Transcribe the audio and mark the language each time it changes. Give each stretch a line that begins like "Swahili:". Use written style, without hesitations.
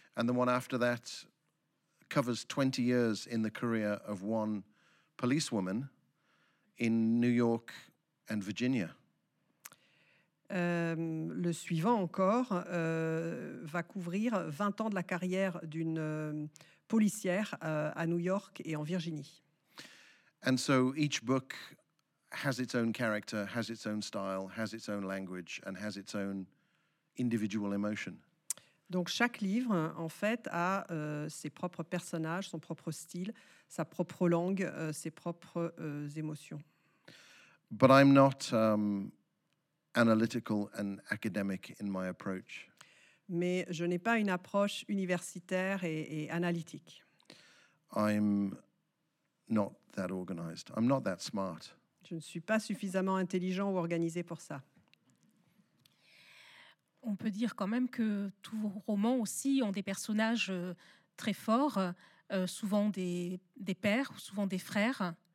English: And the one after that covers 20 years in the career of one policewoman in New York and Virginia.
French: Le suivant encore va couvrir 20 ans de la carrière d'une policière à New York et en Virginie.
English: And so each book has its own character, has its own style, has its own language and has its own individual emotion.
French: Donc chaque livre, en fait, a ses propres personnages, son propre style, sa propre langue, ses propres émotions.
English: But I'm not analytical and academic in my approach.
French: Mais je n'ai pas une approche universitaire et analytique.
English: I'm not that organized. I'm not that smart.
French: Je ne suis pas suffisamment intelligent ou organisé pour ça. on peut dire quand même que tous vos romans aussi ont des personnages très forts, souvent des pères, souvent des frères.